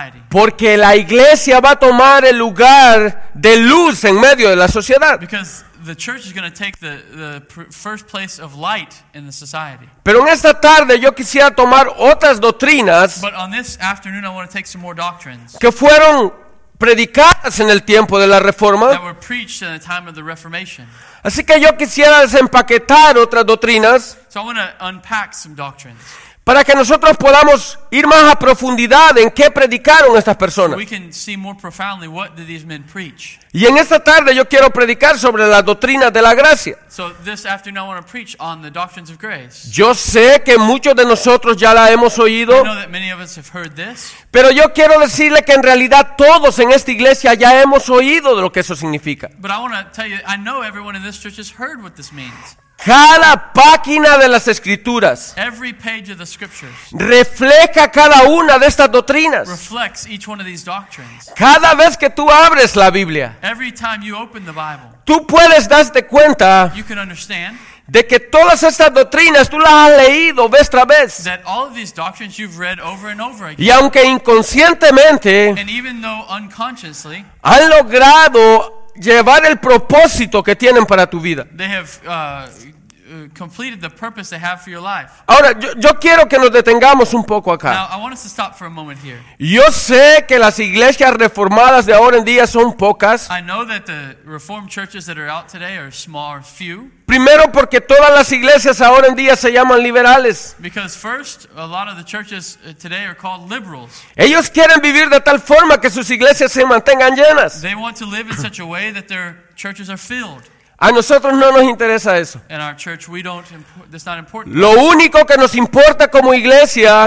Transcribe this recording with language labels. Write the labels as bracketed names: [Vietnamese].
[Spanish] Porque la iglesia va a tomar el lugar de luz en medio de la sociedad. [English] Because the church is going to take the first place of light in the society. [Spanish] Pero en esta tarde yo quisiera tomar otras doctrinas. [English] But on this afternoon I want to take some more doctrines. [Spanish] Que fueron predicadas en el tiempo de la Reforma. [English] That were preached in the time of the Reformation. [Spanish] Así que yo quisiera desempaquetar otras doctrinas. [English] So I want to unpack some doctrines. [Spanish] Para que nosotros podamos ir más a profundidad en qué predicaron estas personas. [English] We can see more profoundly what did these men preach. [Spanish] Y en esta tarde yo quiero predicar sobre la doctrina de la gracia. [English] So this afternoon I want to preach on the doctrines of grace. [Spanish] Yo sé que muchos de nosotros ya la hemos oído. [English] I know that many of us have heard this. [Spanish] Pero yo quiero decirle que en realidad todos en esta iglesia ya hemos oído de lo que eso significa. [English] But I want to tell you, I know everyone in this church has heard what this means. [Spanish] Cada página de las Escrituras [English] every page of the scriptures [Spanish] refleja cada una de estas doctrinas. [English] Reflects each one of these doctrines. [Spanish] Cada vez que tú abres la Biblia, [English] every time you open the Bible, [Spanish] tú puedes darte cuenta [English] you can understand [Spanish] de que todas estas doctrinas tú las has leído vez tras vez. [English] That all of these doctrines you've read over and over again. [Spanish] Y aunque inconscientemente, [English] and even though unconsciously, [Spanish] han logrado llevar el propósito que tienen para tu vida. [English] They have completed the purpose they have for your life. [Spanish] Ahora, yo quiero que nos detengamos un poco acá. [English] Now, I want us to stop for a moment here. [Spanish] Yo sé que las iglesias reformadas de ahora en día son pocas. [English] I know that the reformed churches that are out today are small or few. [Spanish] Primero porque todas las iglesias ahora en día se llaman liberales. [English] Because first, a lot of the churches today are called liberals. [Spanish] Ellos quieren vivir de tal forma que sus iglesias se mantengan llenas. [English] They want to live in such a way that their churches are filled. [Spanish] A nosotros no nos interesa eso. [English] In our church, we don't that's not important. [Spanish] Lo único que nos importa como iglesia,